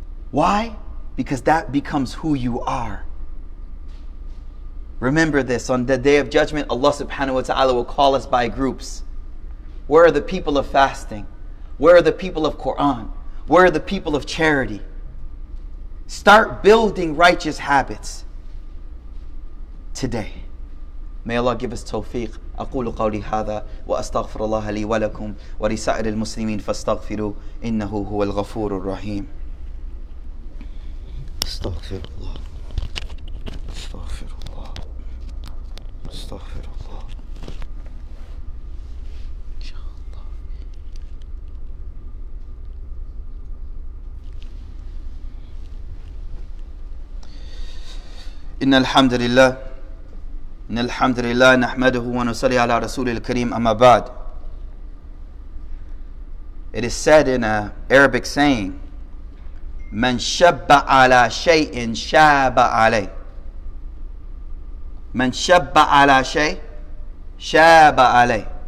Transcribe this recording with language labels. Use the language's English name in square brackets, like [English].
[English] Why? Because that becomes who you are. Remember this, on the day of judgment, Allah subhanahu wa ta'ala will call us by groups. Where are the people of fasting? Where are the people of Quran? Where are the people of charity? Start building righteous habits today. May Allah give us tawfiq. [Arabic] أقول قولي هذا وأستغفر الله لي ولكم ولسائر المسلمين فاستغفروا إنه هو الغفور الرحيم. استغفر الله استغفر الله استغفر الله إن شاء الله إن الحمد لله نحمده ونصلي على رسول الكريم أما بعد. [English] It is said in an Arabic saying, [Arabic] من شب على شيء شاب عليه. من شب على شيء شاب عليه.